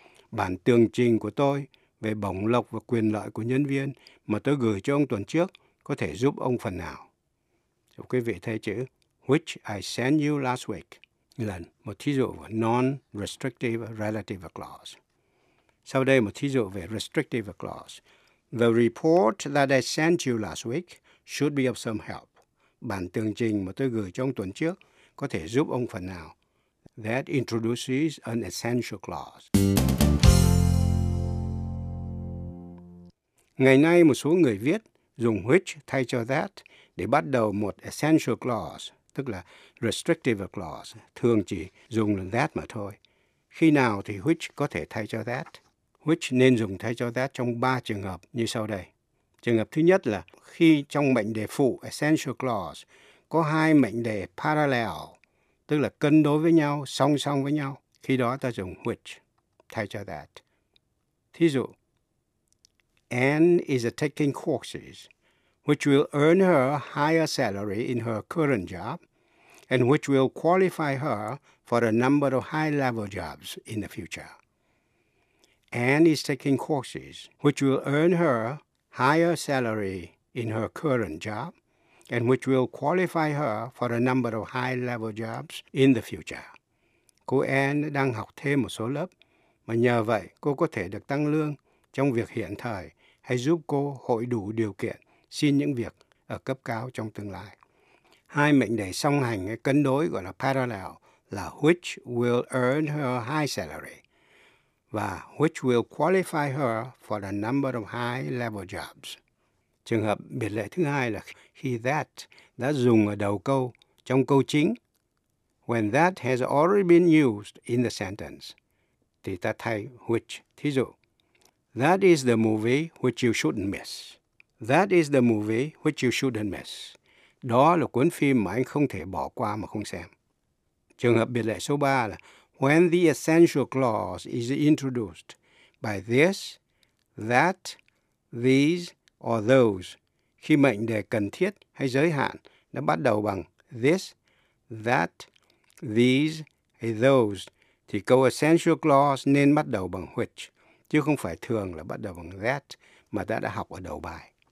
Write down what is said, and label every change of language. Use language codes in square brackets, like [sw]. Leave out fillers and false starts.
[vi] Bản tường trình của tôi về bổng lộc và quyền lợi của nhân viên mà tôi gửi cho ông tuần trước có thể giúp ông phần nào. Chúc quý vị thấy chữ [en] which I sent you last week [vi] là một thí dụ của non-restrictive relative clause. Sau đây một thí dụ về restrictive clause. [en] The report that I sent you last week should be of some help. [vi] Bản tường trình mà tôi gửi cho ông tuần trước có thể giúp ông phần nào. [en] That introduces an essential clause. [vi] Ngày nay một số người viết dùng which thay cho that để bắt đầu một essential clause, tức là restrictive clause, thường chỉ dùng that mà thôi. Khi nào thì which có thể thay cho that? Which nên dùng thay cho that trong 3 trường hợp như sau đây. Trường hợp thứ nhất là khi trong mệnh đề phụ essential clause có hai mệnh đề parallel, tức là cân đối với nhau, song song với nhau, khi đó ta dùng which thay cho that. Thí dụ, [en] Anne is taking courses which will earn her higher salary in her current job and which will qualify her for a number of high-level jobs in the future. Anne is taking courses which will earn her higher salary in her current job and which will qualify her for a number of high-level jobs in the future. [vi] Cô Anne đang học thêm một số lớp, mà nhờ vậy cô có thể được tăng lương trong việc hiện thời hay giúp cô hội đủ điều kiện xin những việc ở cấp cao trong tương lai. Hai mệnh đề song hành hay cân đối gọi là [en] parallel là which will earn her high salary và which will qualify her for a number of high-level jobs. [vi] Trường hợp biệt lệ thứ hai là khi that đã dùng ở đầu câu trong câu chính. [en] When that has already been used in the sentence, [vi] thì ta thay [en] which. [vi] Thí dụ, [en] that is the movie which you shouldn't miss. That is the movie which you shouldn't miss. [vi] Đó là cuốn phim mà anh không thể bỏ qua mà không xem. Trường hợp biệt lệ số 3 là [en] when the essential clause is introduced by this, that, these, or those, [vi] khi mệnh đề cần thiết hay giới hạn đã bắt đầu bằng this, that, these, hay those, thì câu essential clause nên bắt đầu bằng which, chứ không phải thường là bắt đầu bằng that mà ta đã học ở đầu bài.